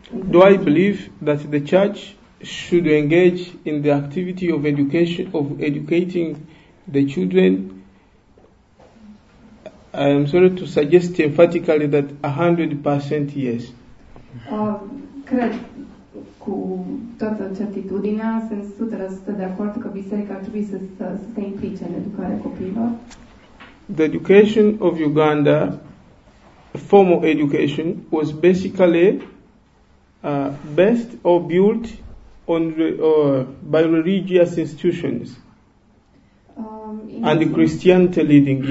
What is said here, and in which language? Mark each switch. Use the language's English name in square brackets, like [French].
[English] Do I believe that the church should engage in the activity of education, of educating the children? I am sorry to suggest emphatically that 100% yes. [Romanian] Cred cu toată certitudinea, sunt 100% de acord că biserica ar trebui să se implice în educarea copiilor. [English] The education of Uganda, formal education, was basically based or built on by religious institutions and the Christianity leading.